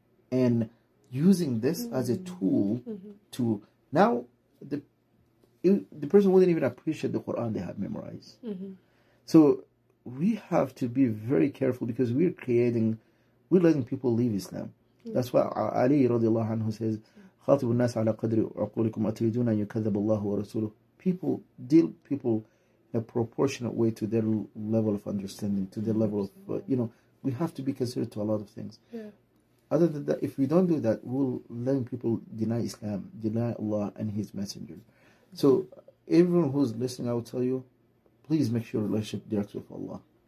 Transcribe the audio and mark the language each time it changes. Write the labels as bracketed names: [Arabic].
[English] And using this as a tool to... Now, the person wouldn't even appreciate the Quran they had memorized. So we have to be very careful because we're creating... We're letting people leave Islam. That's why Ali radiallahu anhu says, [Arabic] خاطب الناس على قدر عقولكم أتريدون أن يكذب الله ورسوله. [English] People deal people in a proportionate way to their level of understanding, to their level of, you know, we have to be considerate to a lot of things. Yeah. Other than that, if we don't do that, we'll let people deny Islam, deny Allah and His Messenger. So everyone who's listening, I will tell you, please make sure relationship directs with Allah.